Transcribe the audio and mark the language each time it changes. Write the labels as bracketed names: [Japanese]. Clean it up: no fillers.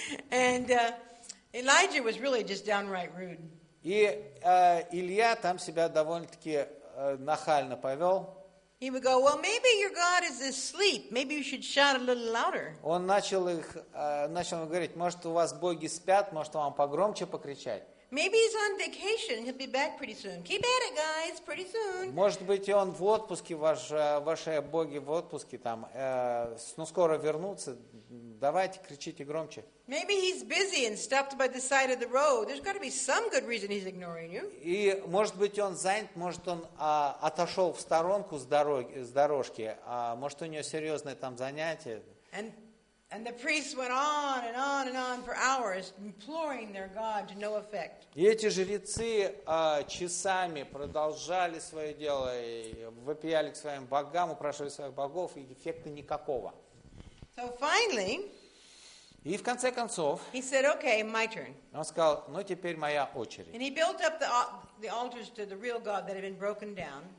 [English] And Elijah was really just downright rude. [Russian] И Илья там себя довольно-таки нахально повел. [English] He would go, well, maybe your God is asleep. Maybe you should shout a little louder. [Russian] Он начал говорить, может, у вас боги спят, может, вам погромче покричать. [English] Maybe he's on vacation. He'll be back pretty soon. Keep at it, guys. Pretty soon. [Russian] Может быть, он в отпуске, ваши боги в отпуске там. Но скоро вернутся. Давайте кричите громче. [English] Maybe he's busy and stopped by the side of the road. There's got to be some good reason he's ignoring you. [Russian] И может быть, он занят. Может, он отошел в сторонку с дорожки. Может, у него серьезное там занятие. [English] And the priests went on and on and on for hours, imploring their God to no effect. [Russian] И эти жрецы часами продолжали свое дело, и вопияли к своим богам, упрашивали своих богов, и эффекта никакого. [English] So finally, [Russian] и в конце концов, [English] he said, "Okay, my turn." [Russian] Он сказал, ну теперь моя очередь. [English] And he built up the altars to the real God that had been broken down.